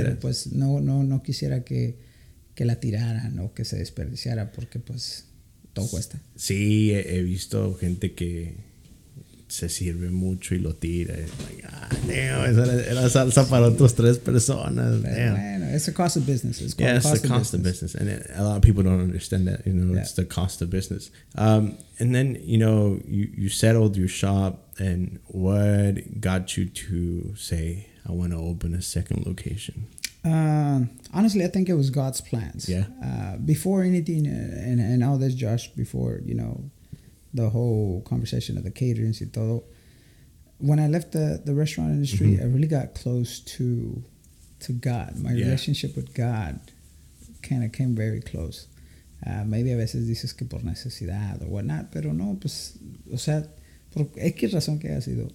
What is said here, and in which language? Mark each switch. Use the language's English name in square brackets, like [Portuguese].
[Spanish] Pues no quisiera que la tiraran o que se desperdiciara, porque pues todo cuesta. Sí, he visto gente que se sirve mucho y lo tira. [English] Like, ah, damn, [Spanish] esa era salsa para otros tres personas. Bueno, [English] it's the cost of business. It's the cost of business. And a lot of people don't understand that. You know, yeah. It's the cost of business. And then, you know, you settled your shop. And what got you to say, I want to open a second location? Honestly, I think it was God's plans. Yeah. Before anything, and all this, Josh, before, you know, the whole conversation of the caterings and todo. When I left the restaurant industry, mm-hmm. I really got close to God. My relationship with God kind of came very close. [Spanish] Maybe a veces dices que por necesidad [English] or whatnot, [Spanish] pero no, pues, o sea, por X razón que ha sido.